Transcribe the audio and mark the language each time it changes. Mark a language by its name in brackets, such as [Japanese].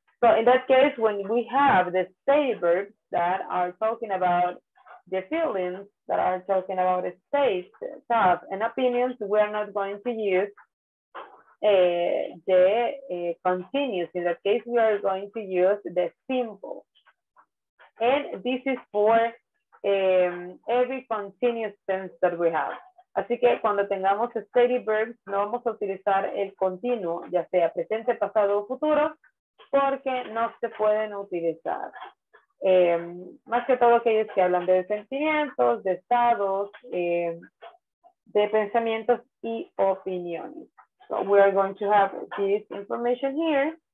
[English] So in that case, when we have the stative verbs that are talking about the feelings, that are talking about a state, thoughts, and opinions, we are not going to use continuous. In that case, we are going to use the simple. And this is for every continuous tense that we have. [Spanish] Así que cuando tengamos steady verbs, no vamos a utilizar el continuo, ya sea presente, pasado o futuro, porque no se pueden utilizar. Más que todo aquellos que hablan de sentimientos, de estados, de pensamientos y opiniones. [English] So we are going to have this information here.